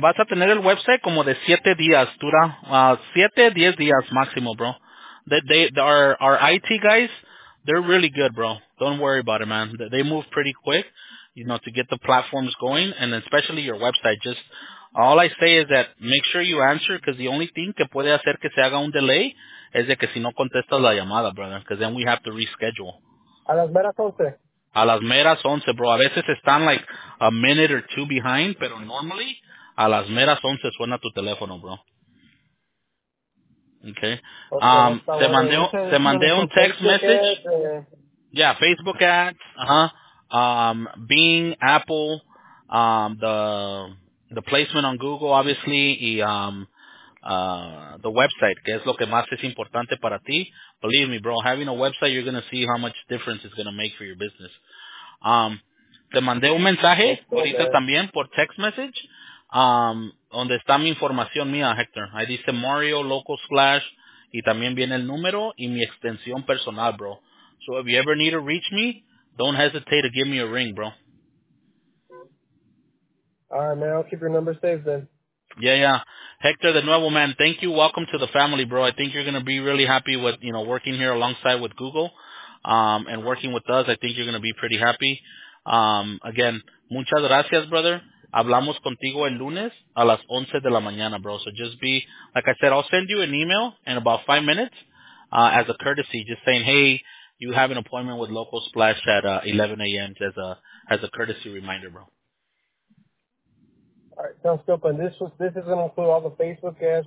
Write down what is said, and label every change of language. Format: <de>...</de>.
<es>Vas a tener el website como de 7 días, dura 7, 10 días máximo, bro.</es> <en>Our IT guys, they're really good, bro. Don't worry about it, man. They move pretty quick, you know, to get the platforms going, and especially your website. Just all I say is that make sure you answer, because the only thing que puede hacer que se haga un delay es de que si no contestas la llamada, brother, because then we have to reschedule.</en> <es>A las meras 11. A las meras 11, bro. A veces están like a minute or two behind, pero normally a las meras 11 suena tu teléfono, bro. Okay. Te mandé un text message.</es> <en>Yeah, Facebook ads. Bing, Apple, the placement on Google, obviously, y the website, que es lo que más es importante para ti. Believe me, bro. Having a website, you're gonna see how much difference it's gonna make for your business.</en> <es>Te mandé un mensaje ahorita también por text message, donde está mi información mía, Hector. Ahí dice Mario Local Slash y también viene el número y mi extensión personal, bro.</es> <en>So if you ever need to reach me, don't hesitate to give me a ring, bro. All right, man. I'll keep your number safe then. Yeah. Hector, de nuevo, man. Thank you. Welcome to the family, bro. I think you're gonna be really happy with, you know, working here alongside with Google. And working with us, I think you're going to be pretty happy.</en> <es>Again, muchas gracias, brother. Hablamos contigo el lunes a las 11 de la mañana, bro.</es> <en>So just be, like I said, I'll send you an email in about 5 minutes as a courtesy, just saying, hey, you have an appointment with Local Splash at 11 a.m. as a courtesy reminder, bro. All right, sounds good. And this is going to include all the Facebook ads.</en>